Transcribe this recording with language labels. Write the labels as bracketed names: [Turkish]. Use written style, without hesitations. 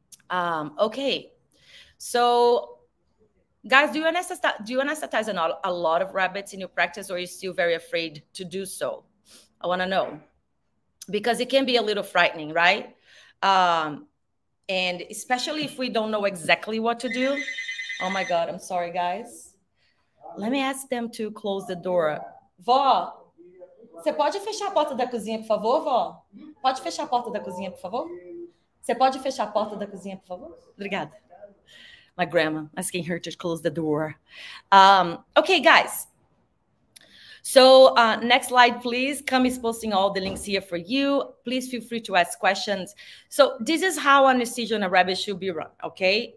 [English] Okay. So, guys, do you anesthetize a lot of rabbits in your practice, or are you still very afraid to do so? I want to know. Because it can be a little frightening, right? And especially if we don't know exactly what to do. Oh, my God. I'm sorry, guys. Let me ask them to close the door. [Portuguese] Vó, você pode fechar a porta da cozinha, por favor, vó? Pode fechar a porta da cozinha, por favor? Você pode fechar a porta da cozinha, por favor? Obrigada. [English] My grandma asking her to close the door. Okay, guys. So next slide, please. Cam is posting all the links here for you. Please feel free to ask questions. So this is how anesthesia on a rabbit should be run, okay?